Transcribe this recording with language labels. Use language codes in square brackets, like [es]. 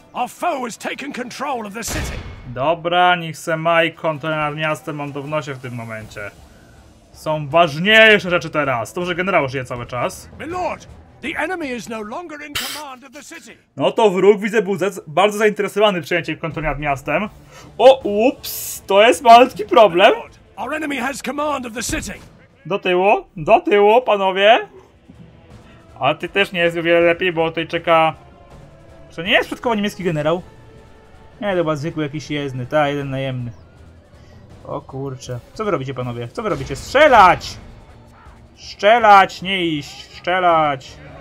[en] Our foe has taken control of the city. [pl] Dobra, niech se Majkon to nad miastem mam to w nosie w tym momencie. Są ważniejsze rzeczy teraz. To, że generał żyje cały czas. [en] My lord, the enemy is no longer in command of the city. [pl] No to wróg, widzę, był bardzo zainteresowany przejęciem kontroli nad miastem. O, ups, to jest malutki problem. [en] Our enemy has command of the city. [pl] Do tyłu, panowie. A ty też nie jest o wiele lepiej, bo tutaj czeka... Czy nie jest przedkowo niemiecki generał? Nie, to chyba zwykły jakiś jezdny, ta jeden najemny. O kurcze. Co wy robicie, panowie? Co wy robicie? Strzelać! Strzelać, nie iść. Strzelać.